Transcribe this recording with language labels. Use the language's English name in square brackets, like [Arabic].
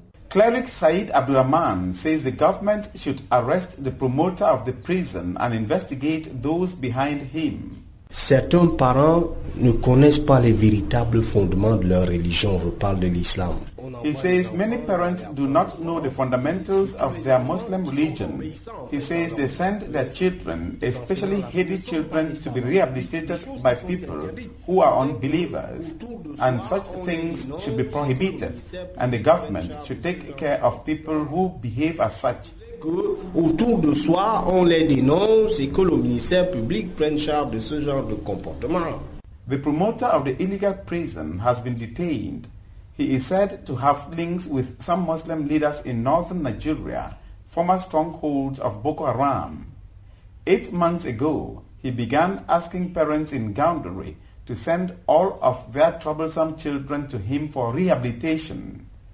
[English] Cleric Said Abdulrahman says the government should arrest the promoter of the prison and investigate those behind him. [French] Certains parents ne connaissent pas les véritables fondements de leur religion. Je parle de l'islam. [English] He says many parents do not know the fundamentals of their Muslim religion. He says they send their children, especially heady children, to be rehabilitated by people who are unbelievers. And such things should be prohibited, and the government should take care of people who behave as such. [French] Autour de soi, on les dénonce et que le ministère public prenne charge de ce genre de comportement. [English] The promoter of the illegal prison has been detained. He is said to have links with some Muslim leaders in northern Nigeria, former stronghold of Boko Haram. 8 months ago, he began asking parents in Ngaoundere to send all of their troublesome children to him for rehabilitation.